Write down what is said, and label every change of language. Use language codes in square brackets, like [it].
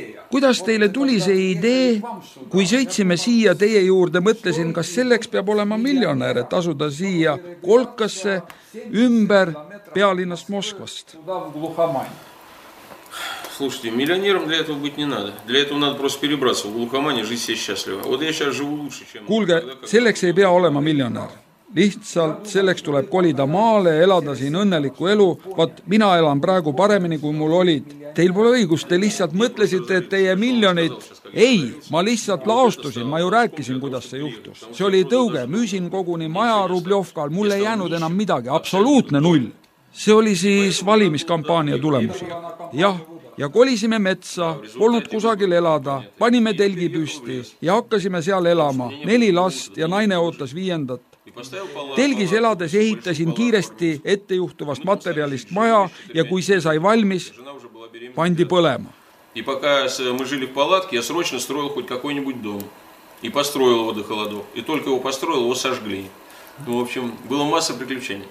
[et] Kuidas teile tuli see idee? Kui sõitsime siia teie juurde, mõtlesin, kas selleks peab olema miljonäär, et asuda siia kolkasse ümber pealinnast Moskvast. [ru] Слушайте, миллионером для этого быть не надо. Для этого надо просто перебраться в Глухомань и жить себе счастливо. Вот я сейчас живу лучше, чем... [et] Kuulge, selleks ei pea olema miljonär. Lihtsalt selleks tuleb kolida maale ja elada siin õnneliku elu. Vaat mina elan praegu paremini, kui mul olid. Teil pole õigus, te lihtsalt mõtlesite, et teie miljonid... Ei, ma lihtsalt laostusin, ma ju rääkisin, kuidas see juhtus. See oli tõuge, müüsin koguni maja Rubljovkal, mulle ei jäänud enam midagi, absoluutne null. See oli siis valimiskampaania tulemus. Jah. Ja kolisime metsa, polnud kusagil elada, panime telgi püsti ja hakkasime seal elama. Neli last ja naine ootas viiendat. Telgis elades ehitasin kiiresti ettejuhtuvast materjalist maja ja kui see sai valmis, pandi põlema. [ru] И пока мы жили в палатке, я срочно строил хоть какой-нибудь дом и построил его до холодов. И только его построил, его сожгли. Ну, в общем, было масса приключений.